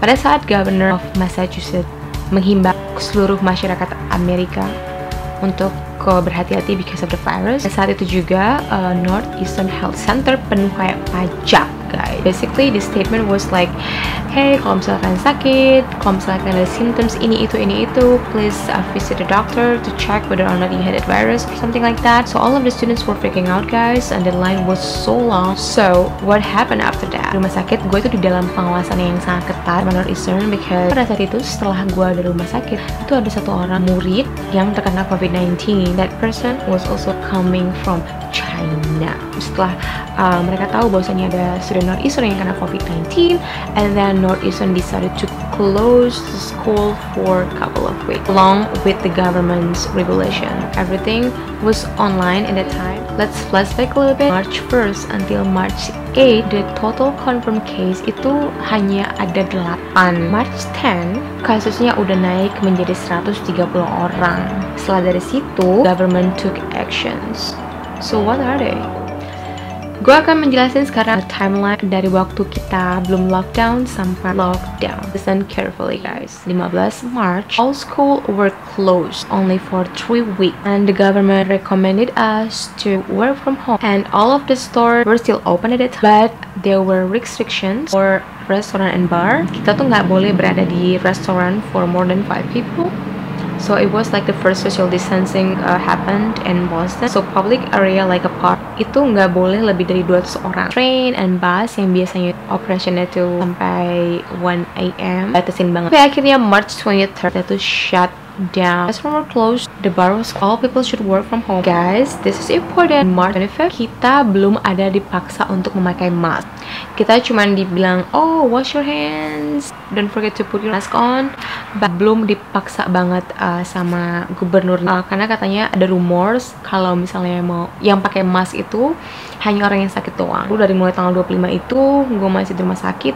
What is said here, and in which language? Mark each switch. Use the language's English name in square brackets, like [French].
[Indonesian] Pada saat governor of Massachusetts menghimbau seluruh masyarakat Amerika untuk berhati-hati [English] because of the virus, [Indonesian] saat itu juga Northeastern Health Center penuh kayak pajak. guys. [English] Basically, the statement was like, hey, [Indonesian] kalau misalkan sakit, kalau misalkan ada symptoms ini itu, [English] please visit a doctor to check whether or not you had a virus or something like that. So all of the students were freaking out, guys, and the line was so long. So what happened after that? [Indonesian] Di rumah sakit, gue itu di dalam pengawasan yang sangat ketat menurut Eastern, because pada saat itu setelah gue di rumah sakit, itu ada satu orang murid yang terkena COVID-19. [English] That person was also coming from China. [Indonesian] Setelah mereka tahu bahwasanya ada student Northeastern yang kena COVID-19, [English] and then Northeastern decided to close the school for a couple of weeks along with the government's regulation. Everything was online in that time. Let's flashback a little bit. March 1st until March 8th, the total confirmed case [Indonesian] itu hanya ada 8. March 10th, kasusnya udah naik menjadi 130 orang. Setelah dari situ, [English] government took actions. So what are they? [Indonesian] Gua akan menjelaskan sekarang timeline dari waktu kita belum lockdown sampai lockdown. [English] Listen carefully, guys. 15 March, all school were closed only for 3 weeks, and the government recommended us to work from home. And all of the stores were still open at it, but there were restrictions for restaurant and bar. [Indonesian] Kita tuh nggak boleh berada di restaurant [English] for more than 5 people. So it was like the first social distancing happened in Boston. So public area like a park [Indonesian] itu nggak boleh lebih dari 200 orang. [English] Train and bus [Indonesian] yang biasanya operationnya tuh sampai 1 a.m. batasin banget. Tapi akhirnya March 23rd itu shut down. [English] Restaurant were closed, the bar was closed, all people should work from home. Guys, this is important. [Indonesian] March 25th, kita belum ada dipaksa untuk memakai mask. Kita cuma dibilang, [English] oh, wash your hands, don't forget to put your mask on. [Indonesian] But belum dipaksa banget sama gubernur. Karena katanya ada rumors kalau misalnya mau yang pakai mask itu hanya orang yang sakit doang. Lalu dari mulai tanggal 25 itu, gue masih di rumah sakit.